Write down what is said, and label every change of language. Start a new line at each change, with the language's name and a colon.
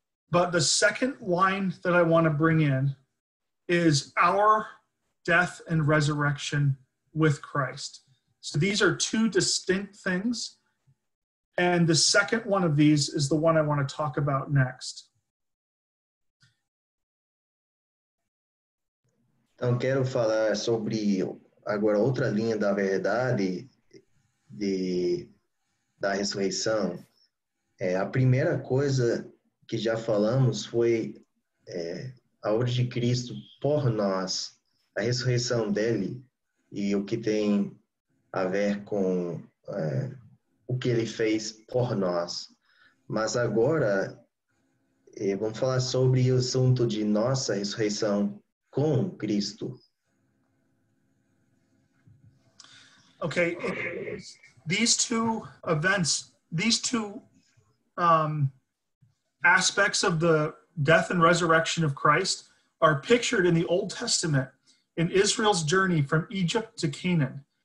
English: But the second line that I want to bring in is our death and resurrection with Christ. So these are two distinct things. And the second one of these is the one I want to talk about next.
Portuguese: Então, quero falar sobre agora outra linha da verdade da ressurreição. A primeira coisa que já falamos foi a obra de Cristo por nós, a ressurreição dele e o que tem a ver com o que ele fez por nós. Mas agora vamos falar sobre o assunto de nossa ressurreição com Cristo.
English: Okay, these two events, these two aspects of the death and resurrection of Christ are pictured in the Old Testament in Israel's journey from Egypt to Canaan.